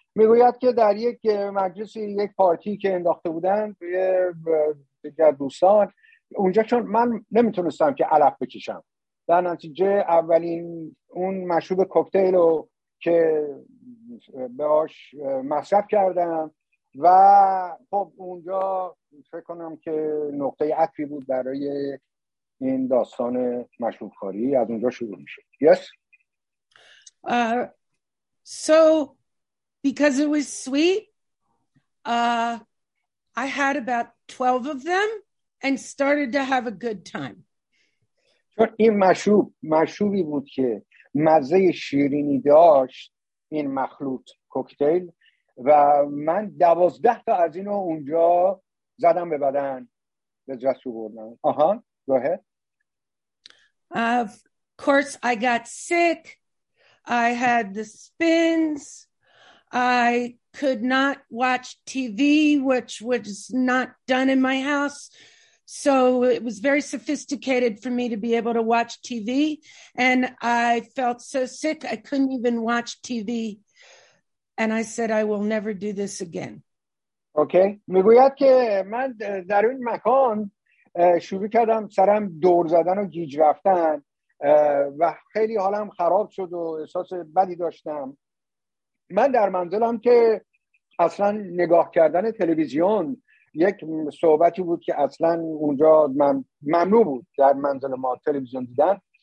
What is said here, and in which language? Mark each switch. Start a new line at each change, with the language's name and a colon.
Persian: میگوید که در یک مجلس یک پارتی که انداخته بودن دیگر دوستان اونجا، چون من نمیتونستم که علف بکشم، در نتیجه اولین اون مشروب کوکتیل رو که باش مصرف کردم و خب اونجا فکر کنم که نقطه عطفی بود برای این داستان مشروب خوری، از اونجا شروع میشه.
English: Yes. So because it was sweet, I had about 12 of them and started to have a good time.
Persian: چون این مشروب مشروبی بود که مزه شیرینی داشت، این مخلوط کوکتیل، و من 12 تا از اینو اونجا زدم به بدن، به جسو بردم. آها، گوه
English: Of course, I got sick. I had the spins. I could not watch TV, which was not done in my house. So it was very sophisticated for me to be able to watch TV. And I felt so sick, I couldn't even watch TV. And I said, I will never do this again.
Persian: اوکی میگوید که من در این مکان شروع کردم سرم دور زدن و گیج رفتن و خیلی حالم خراب شد و احساس بدی داشتم. من در منزلم که اصلا نگاه کردن تلویزیون یک صحبتی بود که اصلا اونجا ممنوع بود در منزل ما تلویزیون دیدن.